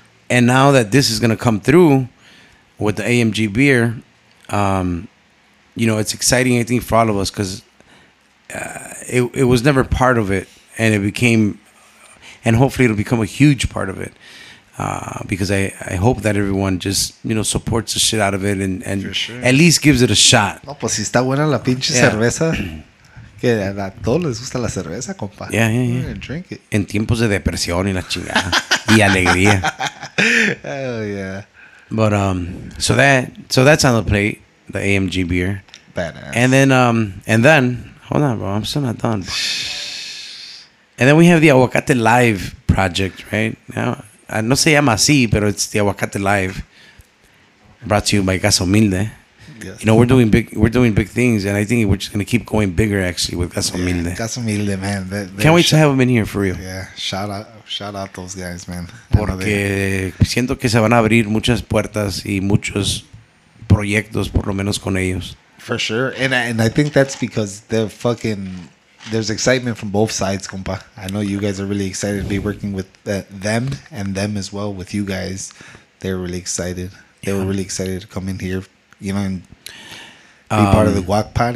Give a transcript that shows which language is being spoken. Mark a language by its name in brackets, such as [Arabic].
[English] And now that this is going to come through with the AMG beer, you know, it's exciting, I think, for all of us because it was never part of it. And it became, and hopefully it'll become a huge part of it because I hope that everyone just, you know, supports the shit out of it and for sure. At least gives it a shot. [Spanish] No, pues si está buena la pinche cerveza. Que a todos les gusta la cerveza, compa. [English] Yeah, yeah, yeah. Drink it. [Spanish] En tiempos de depresión y la chingada. Y alegría. [English] Oh, yeah. But, so that's on the plate, the AMG beer. Badass. And then, hold on, bro, I'm still not done. And then we have the Aguacate Live project, right? Now, [Spanish] no se llama así, pero [English] it's the Aguacate Live, brought to you by Casa Humilde. Yes. You know, we're doing big things, and I think we're just going to keep going bigger, actually, with Casa Humilde. Yeah, Casa Humilde, man. They can't wait to have them in here, for real. Yeah, shout out those guys, man. [Spanish] Porque siento que se van a abrir muchas puertas y muchos proyectos, por lo menos con ellos. [English] For sure, and I think that's because there's excitement from both sides, compa. I know you guys are really excited to be working with them, and them as well, with you guys. They're really excited. They were really excited to come in here. You know, and be part of the guac pot.